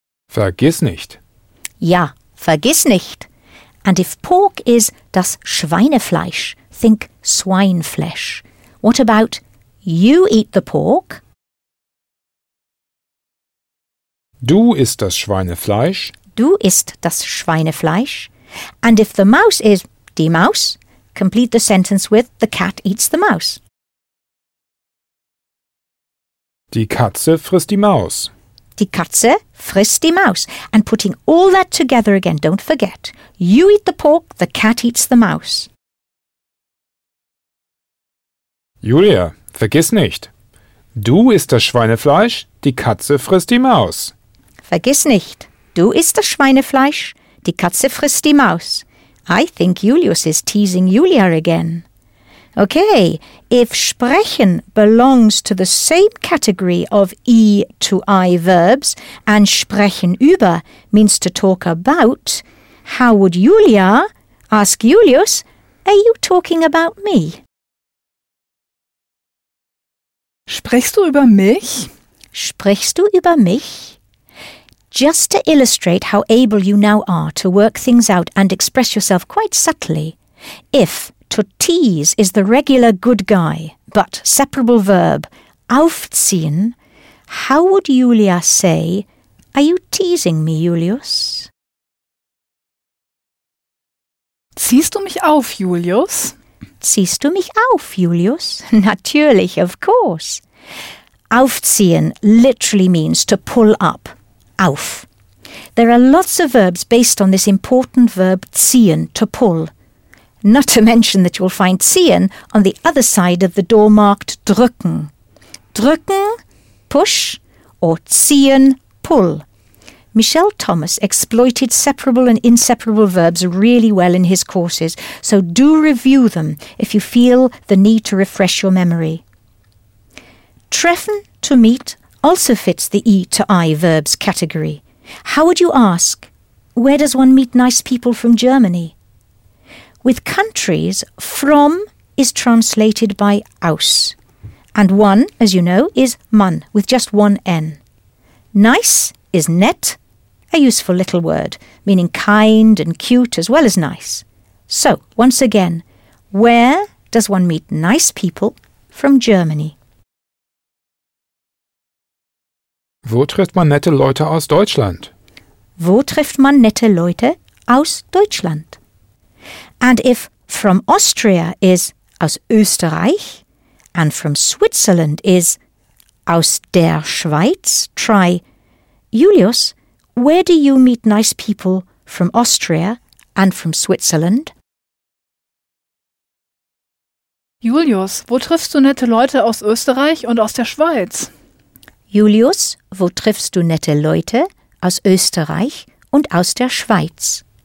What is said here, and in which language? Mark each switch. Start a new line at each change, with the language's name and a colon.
German: Vergiss nicht. Ja, vergiss nicht.
English: And if pork is das Schweinefleisch, think swine flesh. What about you eat the pork?
German: Du isst das Schweinefleisch. Du isst das Schweinefleisch.
English: And if the mouse is die Maus, complete the sentence with the cat eats the mouse.
German: Die Katze frisst die Maus. Die Katze frisst die Maus.
English: And putting all that together again, don't forget. You eat the pork, the cat eats the mouse.
German: Julia, vergiss nicht. Du isst das Schweinefleisch, die Katze frisst die Maus. Vergiss nicht. Du isst das Schweinefleisch, die Katze frisst die Maus.
English: I think Julius is teasing Julia again. Okay, if sprechen belongs to the same category of E to I verbs and sprechen über means to talk about, how would Julia ask Julius, are you talking about me?
German: Sprichst du über mich? Sprichst du über mich?
English: Just to illustrate how able you now are to work things out and express yourself quite subtly, if... To tease is the regular good guy, but separable verb, aufziehen. How would Julia say, are you teasing me, Julius?
German: Ziehst du mich auf, Julius? Ziehst du mich auf, Julius?
English: Natürlich, of course. Aufziehen literally means to pull up, auf. There are lots of verbs based on this important verb ziehen, to pull. Not to mention that you'll find ziehen on the other side of the door marked drücken. Drücken, push, or ziehen, pull. Michelle Thomas exploited separable and inseparable verbs really well in his courses, so do review them if you feel the need to refresh your memory. Treffen, to meet, also fits the E to I verbs category. How would you ask, where does one meet nice people from Germany? With countries, from is translated by aus. And one, as you know, is man, with just one N. Nice is nett, a useful little word, meaning kind and cute as well as nice. So, once again, where does one meet nice people from Germany?
German: Wo trifft man nette Leute aus Deutschland? Wo trifft man nette Leute aus Deutschland?
English: And if from Austria is
German: aus Österreich
English: and from Switzerland is
German: aus der Schweiz,
English: try Julius, where do you meet nice people from Austria and from Switzerland?
German: Julius, wo triffst du nette Leute aus Österreich und aus der Schweiz? Julius, wo triffst du nette Leute aus Österreich und aus der Schweiz?